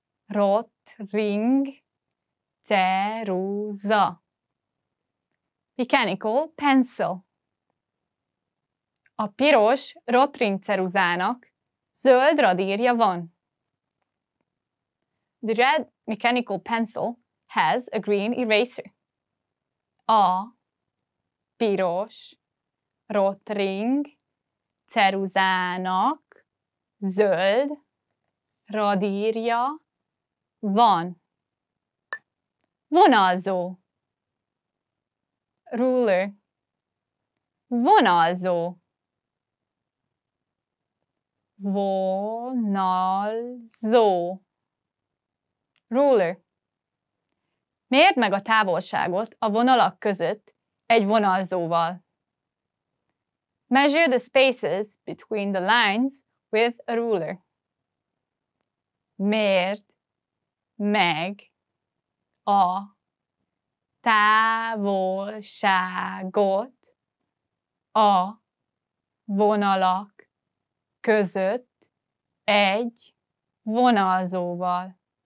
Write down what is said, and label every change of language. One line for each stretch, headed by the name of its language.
Hungarian: Rotring ceruza.
English: Mechanical pencil.
Hungarian: A piros rotring ceruzának zöld radírja van.
English: The red mechanical pencil has a green eraser.
Hungarian: A piros rotring ceruzának zöld radírja van. Vonalzó. Ruler. Vonalzó. Vonalzó. Ruler. Mérd meg a távolságot a vonalak között egy vonalzóval.
English: Measure the spaces between the lines with a ruler.
Hungarian: Mérd meg a távolságot a vonalak között egy vonalzóval.